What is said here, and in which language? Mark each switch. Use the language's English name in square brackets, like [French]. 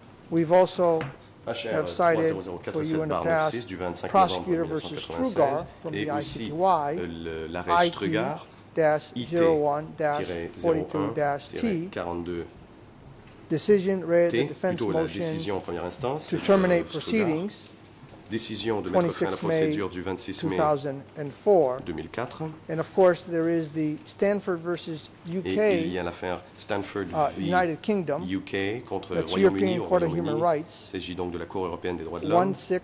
[English] We've also have cited for you in the past Prosecutor versus Strugar from the ICTY, IT-01-42-T. Decision read the defense motion to terminate proceedings. [French] Décision de mettre fin à la procédure du 26 mai 2004. [English] And of course, there is the Stanford versus UK. [French] Et il y a l'affaire Stanford [English] United Kingdom. [French] UK contre Royaume-Uni au Royaume-Uni. Il s'agit donc de la Cour européenne des droits de l'homme.